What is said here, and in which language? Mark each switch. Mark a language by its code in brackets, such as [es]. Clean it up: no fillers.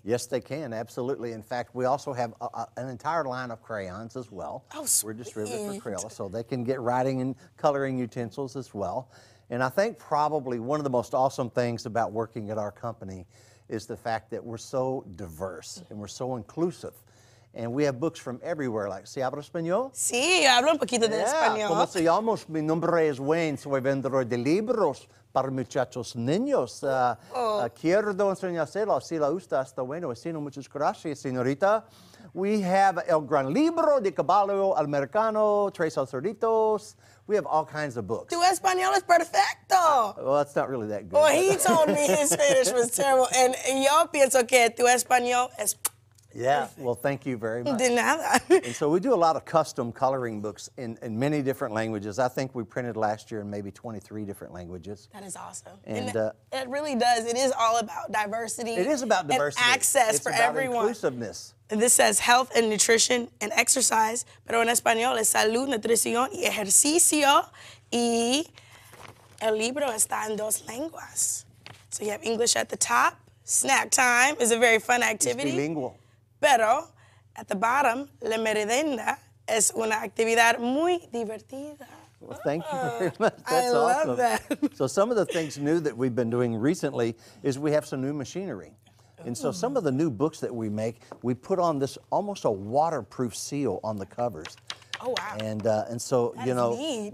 [en] Yes, they can, absolutely. In fact, we also have an entire line of crayons as well. Oh, sweet. We're distributed for Crayola, so they can get writing and coloring utensils as well. And I think probably one of the most awesome things about working at our company is the fact that we're so diverse and we're so inclusive. And we have books from everywhere, like, [es] ¿Si hablo español? Sí, hablo un poquito de español. ¿Cómo se llama? Mi nombre es Wayne, soy vendedor de libros para muchachos niños. Quiero enseñárselo, si le gusta, está bueno. Sino muchas gracias, señorita. [en] We have El Gran Libro de Caballo Americano, Tres Alcerditos. We have all kinds of books. [es] Tu español es perfecto. [en] Well, it's not really that good. Well, he told me his Spanish was terrible. [es] And yo pienso que tu español es perfecto. [en] Yeah, well, thank you very much. [es] De nada. [en] And so we do a lot of custom coloring books in many different languages. I think we printed last year in maybe 23 different languages. That is awesome. And it really does. It is all about diversity. It is about diversity. And access it's for everyone. It's about inclusiveness. And this says health and nutrition and exercise, [es] pero en español es salud, nutrición y ejercicio. Y el libro está en dos lenguas. [en] So you have English at the top. Snack time is a very fun activity. It's bilingual. [es] Pero [en] at the bottom, [es] la merienda es una actividad muy divertida. [en] Well, thank you very much. That's awesome. I love that. So some of the things new that we've been doing recently is we have some new machinery. And so some of the new books that we make, we put on this almost a waterproof seal on the covers. Oh, wow. And so, that you know, neat.